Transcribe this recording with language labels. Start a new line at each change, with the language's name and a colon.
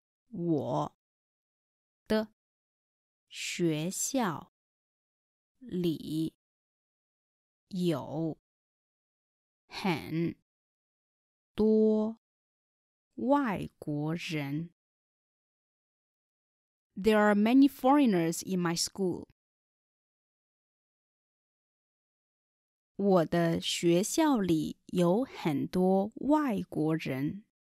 Chinese: 我的学校里有很多外国人。
English: There are many foreigners in my school.
Chinese: 我的学校里有很多外国人。